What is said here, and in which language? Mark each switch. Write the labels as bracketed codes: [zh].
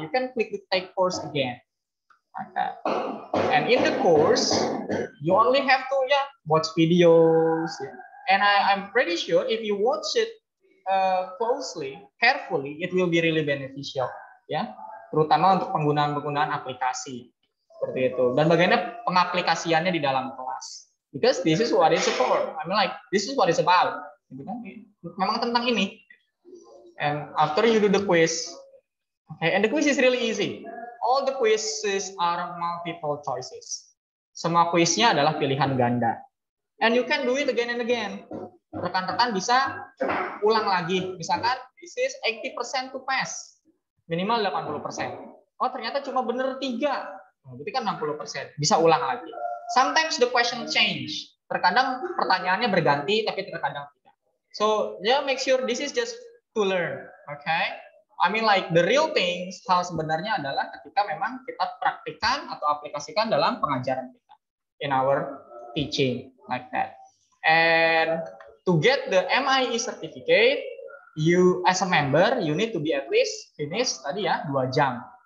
[en] You can click the take course again. And in the course, you only have to yeah, watch videos. And I'm pretty sure if you watch it closely, carefully, it will be really beneficial. [id] Yeah? Terutama untuk penggunaan-penggunaan aplikasi. Seperti itu. Dan bagaimana pengaplikasiannya di dalam kelas. [en] Because this is what it's for. I mean like, this is what it's about. [id] Memang tentang ini. [en] And after you do the quiz, okay, and the quiz is really easy. All the quizzes are multiple choices. [id] Semua quiznya adalah pilihan ganda. [en] And you can do it again and again. [id] Rekan-rekan bisa ulang lagi. Misalkan, [en] this is 80% to pass. [id] Minimal 80%. oh ternyata cuma benar 3. Berarti kan 60%. Bisa ulang lagi. [en] Sometimes the question change. [id] Terkadang pertanyaannya berganti, tapi terkadang tidak. [en] So, yeah, make sure this is just to learn. Okay? I mean like the real things, [id] hal sebenarnya adalah ketika memang kita praktikan atau aplikasikan dalam pengajaran kita. [en] In our teaching, like that. And to get the MIE certificate, you as a member, you need to be at least finish [id] tadi ya, [en] 2 jam.